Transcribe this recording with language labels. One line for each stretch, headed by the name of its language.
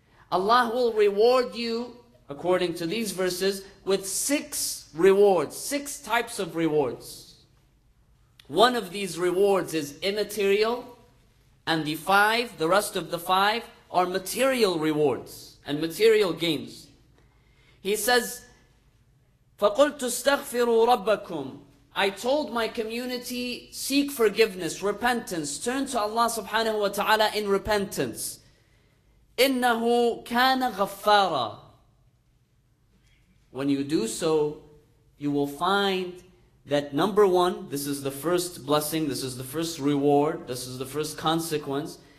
English: Allah will reward you, according to these verses, with six rewards, six types of rewards. One of these rewards is immaterial, and the rest of the five, are material rewards and material gains. He says,
Arabic: فَقُلْتُ اسْتَغْفِرُوا رَبَّكُمْ.
English: I told my community, seek forgiveness, repentance, turn to Allah subhanahu wa ta'ala in repentance.
Arabic: إِنَّهُ كَانَ غَفَّارًا.
English: When you do so, you will find that number one, this is the first blessing, this is the first reward, this is the first consequence.